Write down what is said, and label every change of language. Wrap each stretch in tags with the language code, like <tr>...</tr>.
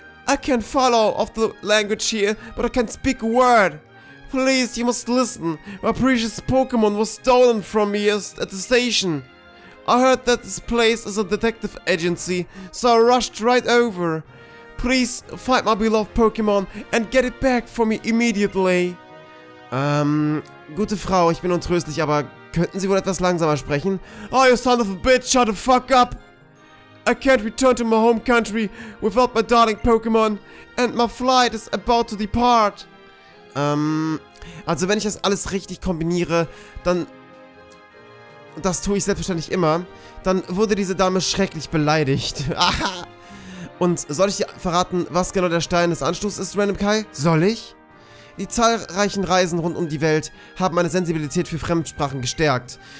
<en>I can follow of the language here, but I can't speak a word. Please, you must listen. My precious Pokémon was stolen from me at the station. I heard that this place is a detective agency, so I rushed right over. Please, find my beloved Pokémon and get it back for me immediately.</en> <de>Gute Frau, ich bin untröstlich, aber könnten Sie wohl etwas langsamer sprechen?</de> <en>Oh, you son of a bitch, shut the fuck up! I can't return to my home country without my darling Pokémon and my flight is about to depart.</en> <de>Also wenn ich das alles richtig kombiniere, dann... Das tue ich selbstverständlich immer. Dann wurde diese Dame schrecklich beleidigt. Aha! Und soll ich dir verraten, was genau der Stein des Anstoßes ist, Random Kai? Soll ich? Die zahlreichen Reisen rund um die Welt haben meine Sensibilität für Fremdsprachen gestärkt.</de>